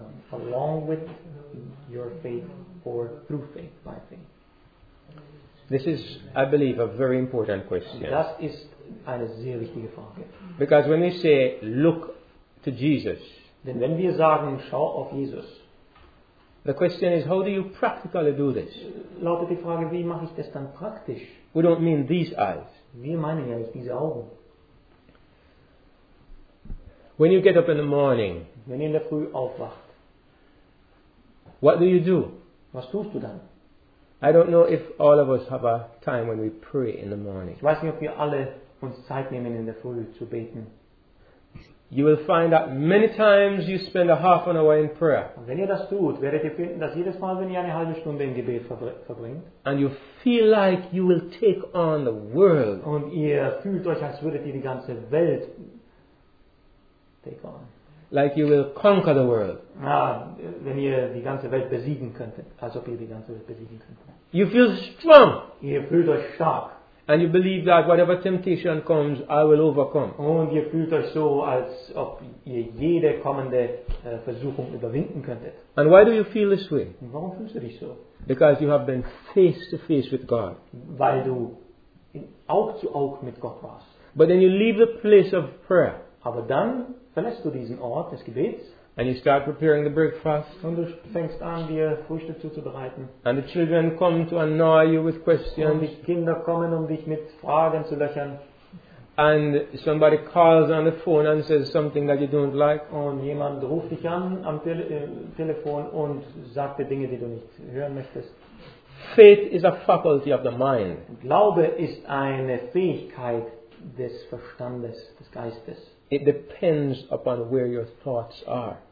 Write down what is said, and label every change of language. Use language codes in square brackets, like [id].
[en] Along with your faith or through faith, by faith? This is, I believe, a very important question. [de] Das ist eine sehr wichtige Frage. [en] Because when we say, look to Jesus, [de] denn wenn wir sagen, schau auf Jesus, [en] the question is, how do you practically do this? [de] Lautet die Frage, wie mache ich das dann praktisch? [en] We don't mean these eyes. [de] Wir meinen ja nicht diese Augen. [en] When you get up in the morning, [de] wenn ihr in der Früh aufwacht, [en] what do you do? [de] Was tust du dann? [en] I don't know if all of us have a time when we pray in the morning. [de] Ich weiß nicht, ob wir alle uns Zeit nehmen, in der Früh zu beten. [en] You will find that many times you spend a half an hour in prayer. [de] Und wenn ihr das tut, werdet ihr finden, dass jedes Mal, wenn ihr eine halbe Stunde im Gebet verbringt, [en] and you feel like you will take on the world. [de] Und ihr fühlt euch, als würdet ihr die ganze Welt [en] take on. Like you will conquer the world. [de] Ah, wenn ihr die ganze Welt besiegen könntet, als ob ihr die ganze Welt besiegen könntet. [en] You feel strong. [de] Ihr fühlt euch stark. [en] And you believe that whatever temptation comes, I will overcome. [de] Und ihr fühlt euch so, als ob ihr jede kommende Versuchung überwinden könntet. [en] And why do you feel this way? [de] Und warum fühlst du dich so? [en] Because you have been face to face with God. [de] Weil du Auge zu Auge mit Gott warst. [en] But then you leave the place of prayer. [de] Aber dann verlässt du diesen Ort des Gebets. [en] And you start preparing the breakfast. [de] Und du fängst an, dir Frühstück zuzubereiten. [en] And the children come to annoy you with questions. [de] Und die Kinder kommen, um dich mit Fragen zu löchern. [en] And somebody calls on the phone and says something that you don't like. [de] Und jemand ruft dich an am Telefon und sagt dir Dinge, die du nicht hören möchtest. [en] Faith is a faculty of the mind. [de] Glaube ist eine Fähigkeit des Verstandes, des Geistes. [en] It depends upon where your thoughts are.